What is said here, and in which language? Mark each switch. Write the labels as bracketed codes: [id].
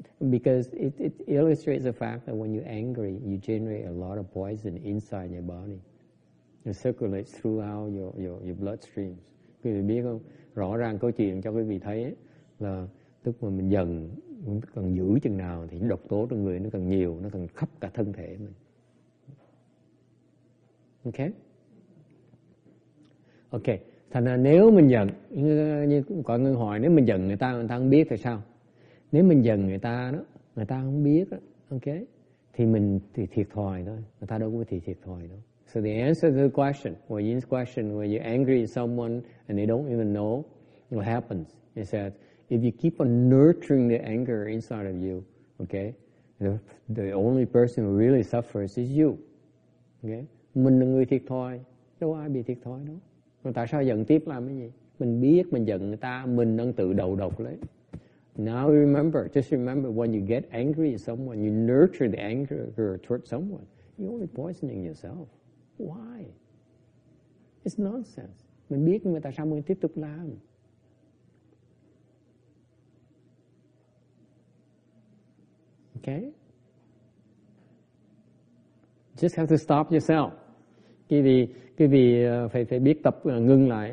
[en] Because it illustrates the fact that when you're angry, you generate a lot of poison inside your body. It circulates throughout your bloodstreams. [vi] Quý vị biết không? Rõ ràng câu chuyện cho quý vị thấy ấy, là tức mà mình giận, càng dữ chừng nào thì độc tố trong người nó càng nhiều, nó càng khắp cả thân thể mình. Ok? Thành ra nếu mình giận, như có người hỏi, nếu mình giận người ta không biết thì sao? Nếu mình giận người ta đó, người ta không biết đó, ok? Thì mình thì thiệt thòi thôi, người ta đâu có thiệt thòi đâu. [en] So the answer to the question, or Yin's question, where you're angry at someone and they don't even know what happens, is that if you keep on nurturing the anger inside of you, okay, the only person who really suffers is you. Okay? [vi] Mình là người thiệt thòi, đâu ai bị thiệt thòi đâu. Tại sao giận tiếp làm cái gì? Mình biết mình giận người ta, mình đang tự đầu độc lấy. [en] Now remember, just remember, when you get angry at someone, you nurture the anger towards someone, you're only poisoning yourself. Why? It's nonsense. [vi] Mình biết nhưng mà tại sao mình tiếp tục làm? [en] Okay? Just have to stop yourself. [vi] Quý vị phải biết tập ngưng lại.